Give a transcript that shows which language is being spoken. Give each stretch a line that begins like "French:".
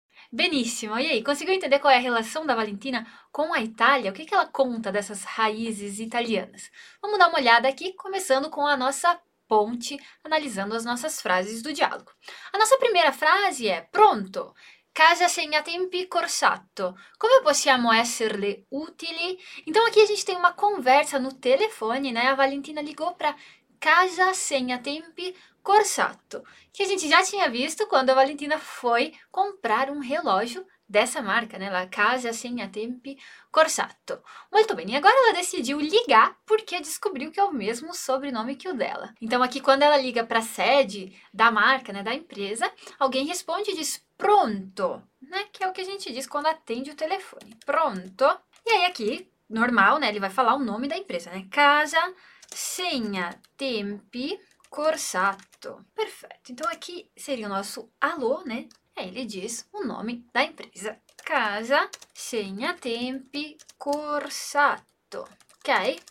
Portuguese: Benissimo, e aí, conseguiu entender qual é a relação da Valentina com a Itália? O que que ela conta dessas raízes italianas? Vamos dar uma olhada aqui, começando com a nossa ponte, analisando as nossas frases do diálogo. A nossa primeira frase é: Pronto, casa segnatempi corsatto.
Italian: Como possiamo esserle utili?
Portuguese: Então aqui a gente tem uma conversa no telefone, né? A Valentina ligou para casa segnatempi Corsatto, que a gente já tinha visto quando a Valentina foi comprar um relógio dessa marca, né?
Italian: La Casa Segnatempi Corsatto.
Portuguese: Muito bem, e agora ela decidiu ligar porque descobriu que é o mesmo sobrenome que o dela. Então, aqui, quando ela liga para a sede da marca, né, da empresa, alguém responde e diz pronto, né? Que é o que a gente diz quando atende o telefone. Pronto. E aí, aqui, normal, né? Ele vai falar o nome da empresa, né?
Italian: Casa Segnatempi Corsatto.
Portuguese: Perfeito. Então aqui seria o nosso alô, né? Aí ele diz o nome da empresa. Casa Segnatempi Corsatto. Ok?